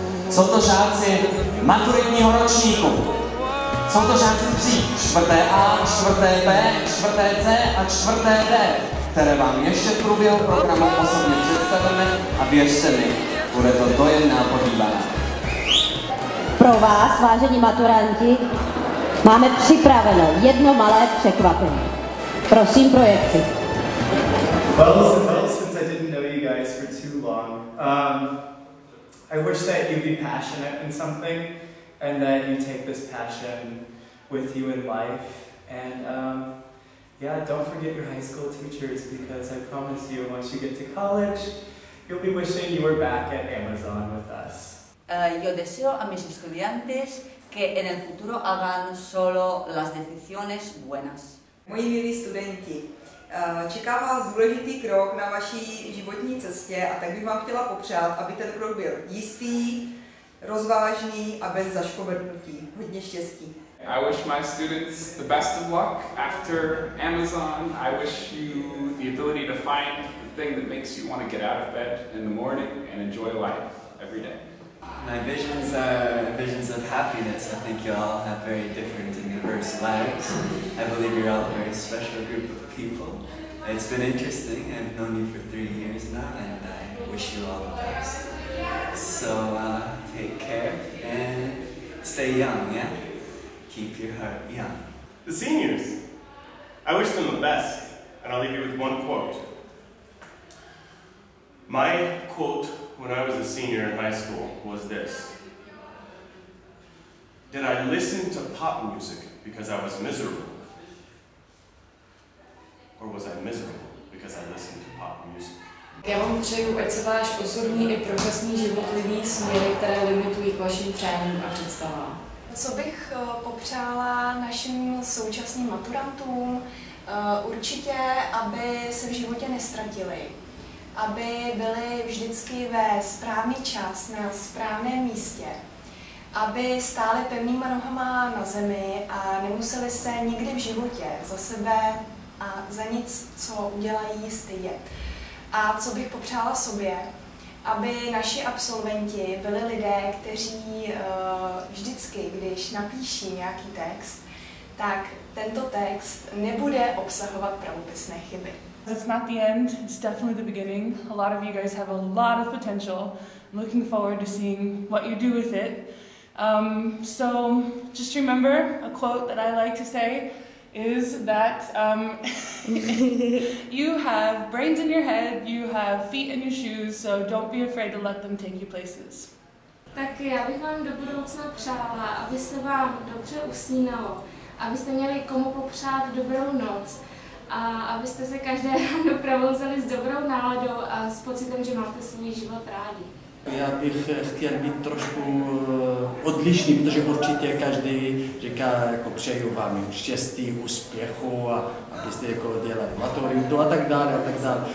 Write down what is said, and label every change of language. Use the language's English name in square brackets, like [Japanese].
[Czech] Jsou to žáci maturitního ročníku. Jsou to žáci tří, čtvrté A, čtvrté B, čtvrté C a čtvrté D, které vám ještě v průběhu programu osobně představíme a věřte mi, bude to dojemná pohybaná. Pro vás, vážení maturanti, máme připraveno jedno malé překvapení. Prosím, projekci. [English] Well, since I didn't know you guys for too long, I wish that you'd be passionate in something and that you take this passion with you in life. And don't forget your high school teachers, because I promise you, once you get to college, you'll be wishing you were back at Amazon with us. [Spanish] Yo deseo a mis estudiantes que en el futuro hagan solo las decisiones buenas. [Czech] Moji milí studenti, čeká vás důležitý krok na vaší životní cestě a tak bych vám chtěla popřát, aby ten krok byl jistý, rozvážný a bez zaškobrtnutí. Hodně štěstí. [English] I wish my students the best of luck after Amazon. I wish you the ability to find the thing that makes you want to get out of bed in the morning and enjoy life every day. My visions are visions of happiness. I think you all have very different and diverse lives. I believe you're all a very special group of people. It's been interesting. I've known you for 3 years now, and I wish you all the best. So take care and stay young, yeah? Keep your heart young. The seniors, I wish them the best, and I'll leave you with one quote. My quote when I was a senior in high school was this: did I listen to pop music because I was miserable? Or was I miserable because I listened to pop music? [Czech] Já vám přeju, ať se váš osobní i profesní život vyvíjí směry, které limitují k vašim přáním a představám. Co bych popřála našim současným maturantům? Určitě, aby se v životě nestratili. Aby byli vždycky ve správný čas, na správném místě. Aby stáli pevnýma nohama na zemi a nemuseli se nikdy v životě za sebe a za nic, co udělají, stydět. A co bych popřála sobě? Aby naši absolventi byli lidé, kteří vždycky, když napíší nějaký text, tak tento text nebude obsahovat pravopisné chyby. [English] That's not the end, it's definitely the beginning. A lot of you guys have a lot of potential. I'm looking forward to seeing what you do with it. So just remember, a quote that I like to say is that you have brains in your head, you have feet in your shoes, so don't be afraid to let them take you places. [Czech] Tak já bych vám do budoucna přála, aby se vám dobře usínalo, abyste měli komu popřát dobrou noc, a abyste se každé ráno provozili s dobrou náladou a s pocitem, že máte svůj život rádi. Já bych chtěl být trošku odlišný, protože určitě každý říká, jako přeju vám štěstí, úspěchu a abyste jako dělali maturitu a tak dále a tak dále.